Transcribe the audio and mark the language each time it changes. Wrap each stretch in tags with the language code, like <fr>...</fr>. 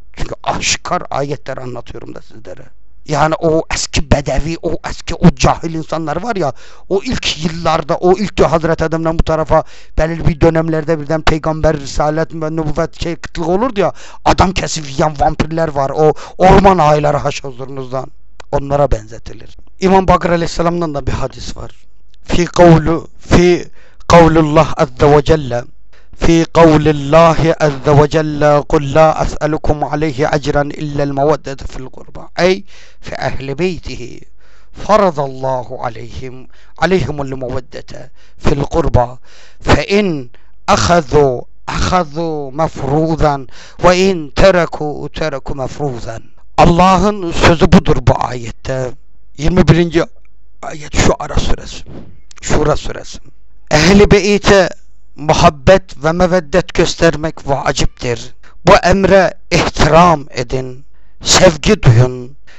<tr>Çünkü aşikar ayetler anlatıyorum da sizlere. Yani o eski bedevi, o eski, o cahil insanlar var ya, o ilk yıllarda, o ilk de Hazreti Adem'den bu tarafa belirli bir dönemlerde birden peygamber, risalet, nübüvvet, şey, kıtlık olurdu ya, adam kesip yiyen vampirler var, o orman ağaçları haş huzurunuzdan. Onlara benzetilir. İmam Bakır Aleyhisselam'dan da bir hadis var.</tr> <ar>Fi kavlu, fi kavlullah azze ve celle. في قول الله عز وجل قل لا أسألكم عليه أجرا إلا المودة في القربى أي في أهل بيته فرض الله عليهم المودة في القربى فإن أخذوا مفروضا وإن تركوا مفروضا.</ar> <tr>Allah'ın sözü budur bu ayette. 21. ayet Şura suresi. Ehl-i Beyt'e muhabbet ve meveddet göstermek vaciptir. Bu emre ihtiram edin, sevgi duyun.</tr>